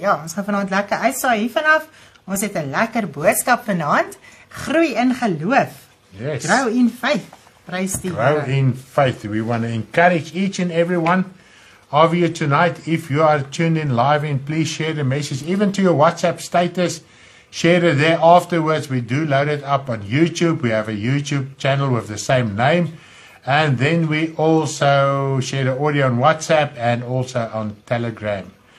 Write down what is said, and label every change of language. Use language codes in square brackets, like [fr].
[af] Ja, ons gaan vanavond lekker uitsaai hiervan af. Ons het 'n lekker boodskap vanavond. Groei in geloof. [en] Yes. Grow in faith. Praise the Here. Grow in faith. We want to encourage each and everyone of you tonight. If you are tuned in live, and please share the message, even to your WhatsApp status, share it there afterwards. We do load it up on YouTube. We have a YouTube channel with the same name, and then we also share the audio on WhatsApp and also on Telegram.